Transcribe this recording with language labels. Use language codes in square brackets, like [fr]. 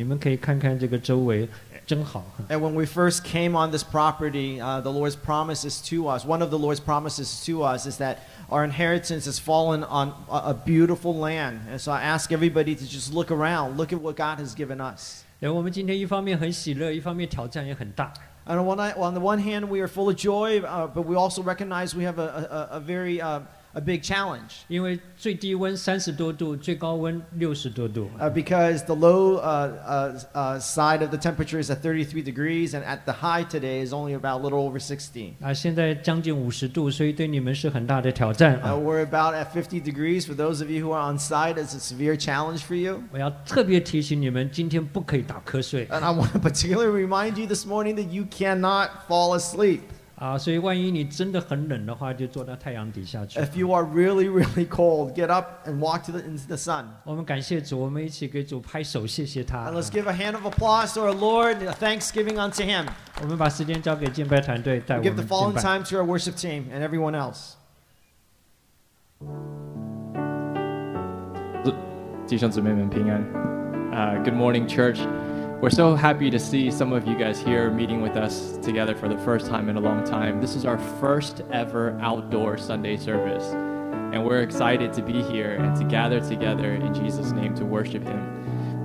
[zh] 说到是坐落在佳美之处，我们的产业实在美好，你们可以看看这个周围，真好。 [en] And when we first came on this property, the Lord's promises to us, one of the Lord's promises to us is that our inheritance has fallen on a beautiful land. And so I ask everybody to just look around, look at what God has given us. [zh] 我们今天一方面很喜乐，一方面挑战也很大。 [en] And on the one hand, we are full of joy, but we also recognize we have a big challenge. [zh] 因为最低温30多度，最高温60多度。 [en] Because the low side of the temperature is at 33 degrees, and at the high today is only about a little over 60. [zh] 现在将近50度，所以对你们是很大的挑战。 [en] We're about at 50 degrees. For those of you who are on site, it's a severe challenge for you. [zh] 我要特别提醒你们，今天不可以打瞌睡。 [en] And I want to particularly remind you this morning that you cannot fall asleep. [zh] 所以万一你真的很冷的话，就坐到太阳底下去。If [en] you are really, really cold, get up and walk to the, into the sun. [zh] 我们感谢主，我们一起给主拍手，谢谢他。And [en] let's give a hand of applause to our Lord, a thanksgiving unto Him. [zh] 我们把时间交给敬拜团队，带我们敬拜。We [en] give the following time to our worship team and everyone else. [zh] 弟兄姊妹们平安。 Good morning, church. [en] We're so happy to see some of you guys here meeting with us together for the first time in a long time. This is our first ever outdoor Sunday service, and we're excited to be here and to gather together in Jesus' name to worship Him.